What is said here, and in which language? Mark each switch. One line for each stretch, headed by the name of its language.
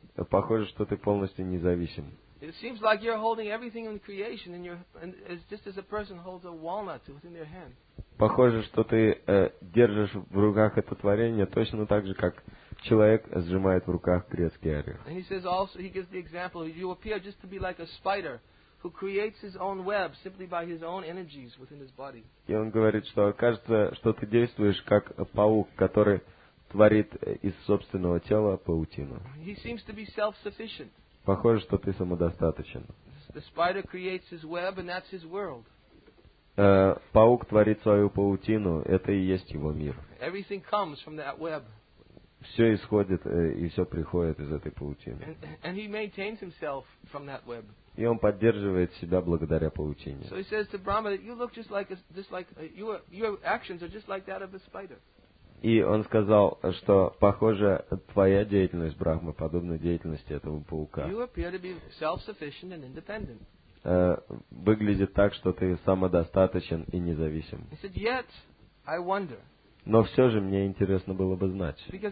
Russian: Похоже, что ты полностью независим.
English: It seems like you're holding everything in creation in your as just as a person holds a walnut within their hand.
Russian: Похоже, что ты держишь в руках это творение точно так же, как человек сжимает в руках грецкий орех.
English: And he says also he gives the example you appear just to be like a spider who creates his own web simply by his own energies within his body.
Russian: И он говорит, что кажется, что ты действуешь как паук, который творит из собственного тела паутину.
English: He seems to be self-sufficient.
Russian: Похоже, что ты самодостаточен.
English: The spider creates his web, and that's his world.
Russian: Паук творит свою паутину, это и есть его мир.
English: Everything comes from that web.
Russian: Все исходит и все приходит из этой паутины.
English: And he maintains himself from that web.
Russian: И он поддерживает себя благодаря паутине.
English: So he says to Brahma that you look just like your actions are just like that of a spider.
Russian: И он сказал, что похоже твоя деятельность, Брахма, подобна деятельности этого паука.
English: You appear to be self-sufficient and independent.
Russian: Выглядит так, что ты самодостаточен и независим.
English: He said, yet I wonder.
Russian: Но все же мне интересно было бы знать.